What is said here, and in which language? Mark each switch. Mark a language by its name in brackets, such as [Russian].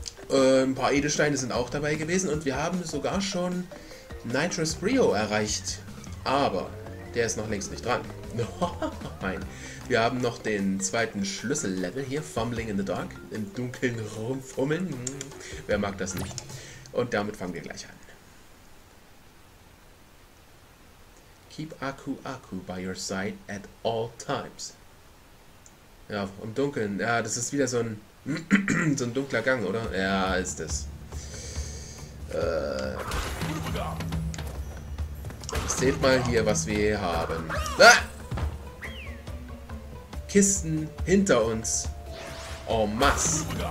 [German] Ein paar Edelsteine sind auch dabei gewesen und wir haben sogar schon Nitrous Brio erreicht. Aber der ist noch längst nicht dran. Nein. Wir haben noch den zweiten Schlüssellevel hier, Fumbling in the Dark. Im dunklen Raum fummeln. Wer mag das nicht? Und damit fangen wir gleich an. [English] Keep Aku Aku by your side at all times. [German] Ja, im Dunkeln. Ja, das ist wieder so ein dunkler Gang, oder? Ja, ist es. Seht mal hier, was wir hier haben. Ah! Kisten hinter uns. En masse.